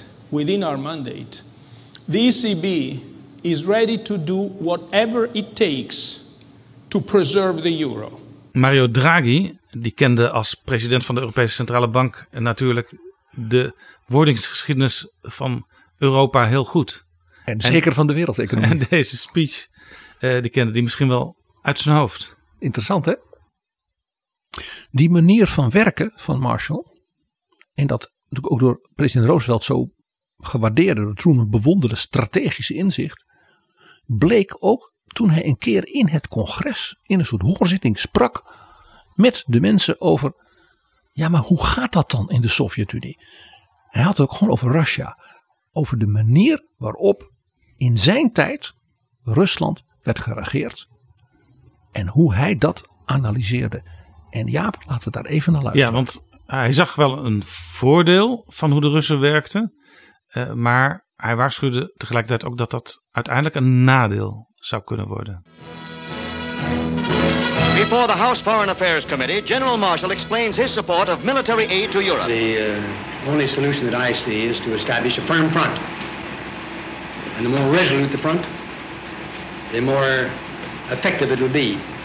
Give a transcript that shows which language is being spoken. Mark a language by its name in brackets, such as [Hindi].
[English] Within our mandate, the ECB is ready to do whatever it takes to preserve the euro. [Dutch] Mario Draghi, die kende als president van de Europese Centrale Bank natuurlijk de wordingsgeschiedenis van Europa heel goed. En zeker van de wereldeconomie. En deze speech, die kende die misschien wel uit zijn hoofd. Interessant, hè? Die manier van werken van Marshall, en dat natuurlijk ook door president Roosevelt zo gewaardeerde, door Truman bewonderde strategische inzicht, bleek ook toen hij een keer in het congres, in een soort hoorzitting, sprak met de mensen over, ja, maar hoe gaat dat dan in de Sovjet-Unie? Hij had het ook gewoon over Russia, over de manier waarop in zijn tijd Rusland werd geregeerd en hoe hij dat analyseerde. En Jaap, laten we daar even naar luisteren. Ja, want hij zag wel een voordeel van hoe de Russen werkten. Maar hij waarschuwde tegelijkertijd ook dat dat uiteindelijk een nadeel zou kunnen worden. [English] Before the House Foreign Affairs Committee, General Marshall explains his support of military aid to Europe. The only solution that I see is to establish a firm front. And the more resolute the front, the more effective it will be.